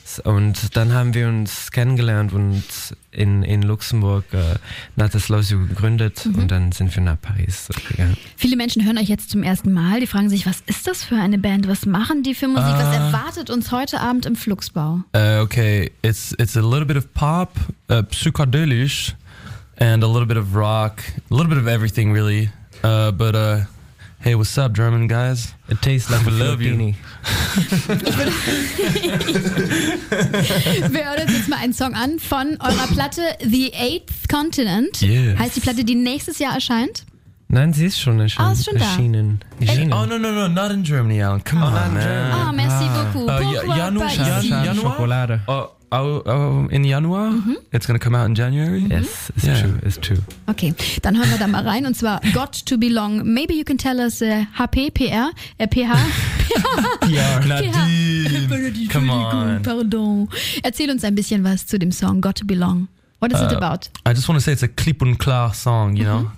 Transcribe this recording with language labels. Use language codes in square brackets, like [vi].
[de] Und dann haben wir uns kennengelernt und in Luxemburg Natives Loves You gegründet, mhm, und dann sind wir nach Paris gegangen. Viele Menschen hören euch jetzt zum ersten Mal, die fragen sich, was ist das für eine Band, was machen die für Musik, was erwartet uns heute Abend im Fluxbau? [en] Okay, it's a little bit of pop, psychedelisch, and a little bit of rock, a little bit of everything really, but... Hey, what's up, German guys? It tastes like a Filippini. [de] Wir hören uns jetzt mal einen Song an von eurer Platte The Eighth Continent. [en] Yes. [de] Heißt die Platte, die nächstes Jahr erscheint? Nein, sie ist schon erschienen. Ah, ist schon erschienen. Da. [en] Oh, no, not in Germany, Alan. Come on, man. [fr] Ah, merci beaucoup. [de] Januar? [en] Chocolate. [de] In Januar? Mm-hmm. [en] It's gonna come out in January? Mm-hmm. Yes, it's true. [de] Okay, dann hören wir da mal rein. Und zwar Got to Belong. [en] Maybe you can tell us HP, PR, PH. Nadine, come on. Pardon. [de] Erzähl uns ein bisschen was zu dem Song Got to Belong. [en] What is it about? I just want to say it's a [de] klipp und klar [en] song, you know?